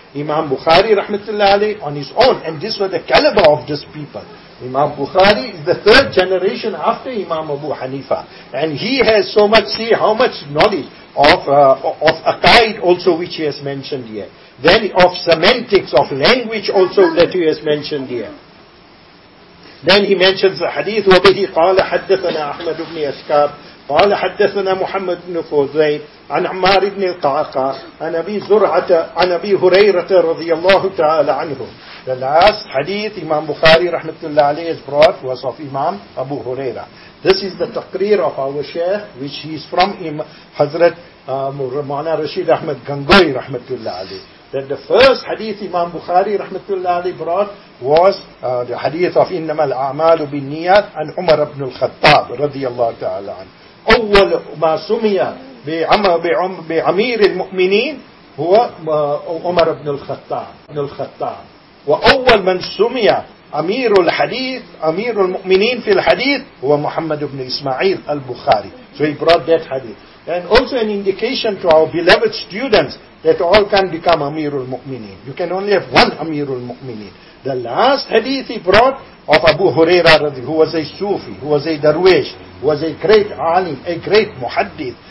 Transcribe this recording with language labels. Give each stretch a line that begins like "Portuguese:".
English: Imam Bukhari, rahmatullahi alayhi, on his own. And this was the caliber of this people. Imam Bukhari is the third generation after Imam Abu Hanifa. And he has so much, see how much knowledge of aqaid also which he has mentioned here. Then of semantics, of language also that he has mentioned here. Then he mentions the hadith,
Arabic: وَبِهِ قَالَ حَدَّثَنَا أَحْمَدُ بْنِ أَشْكَابِ قال حدثنا محمد بن فوزين عن عمار بن القعقاع عن ابي زرعه عن ابي هريره رضي الله تعالى عنه.
English: The last hadith Imam Bukhari rahmatullah alayhi has brought was of Imam Abu Huraira. This is the taqreer of our sheikh, which he is from him, Hazrat Maulana Rashid Ahmad Gangohi rahmatullah alayhi. That the first hadith Imam Bukhari rahmatullah alayhi brought was the hadith of
Arabic: innama al-a'malu bin-niyyat
English: an Umar ibn al-Khattab radiyallahu ta'ala anhu.
Arabic: أول ما سمي بعمير المؤمنين هو عمر بن الخطاب وأول من سمي أمير الحديث أمير المؤمنين في الحديث هو محمد بن إسماعيل البخاري.
English: So he brought that hadith. And also an indication to our beloved students that all can become أمير المؤمنين. You can only have one أمير المؤمنين. The last hadith he brought of Abu Huraira, who was a Sufi, who was a Darwish, who was a great alim, a great muhaddith.